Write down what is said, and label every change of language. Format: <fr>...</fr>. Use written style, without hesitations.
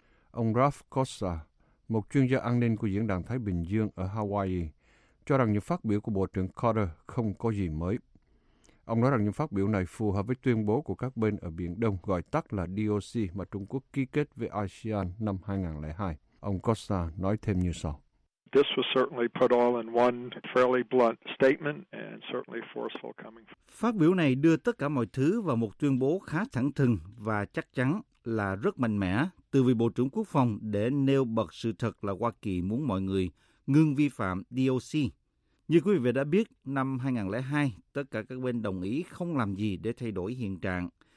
<vi>Ông Ralph Costa, một chuyên gia an ninh của Diễn đàn Thái Bình Dương ở Hawaii, cho rằng những phát biểu của Bộ trưởng Carter không có gì mới. Ông nói rằng những phát biểu này phù hợp với tuyên bố của các bên ở Biển Đông gọi tắt là DOC mà Trung Quốc ký kết với ASEAN năm 2002. Ông Costa nói thêm như sau.</vi> <en>This was certainly put all in one fairly blunt statement and certainly forceful coming.</en> <vi>Phát biểu này đưa tất cả mọi thứ vào một tuyên bố khá thẳng thừng và chắc chắn là rất mạnh mẽ từ vị Bộ trưởng Quốc phòng để nêu bật sự thật là Hoa Kỳ muốn mọi người ngừng vi phạm DOC. Như quý vị đã biết, năm 2002, tất cả các bên đồng ý không làm gì để thay đổi hiện trạng.</vi>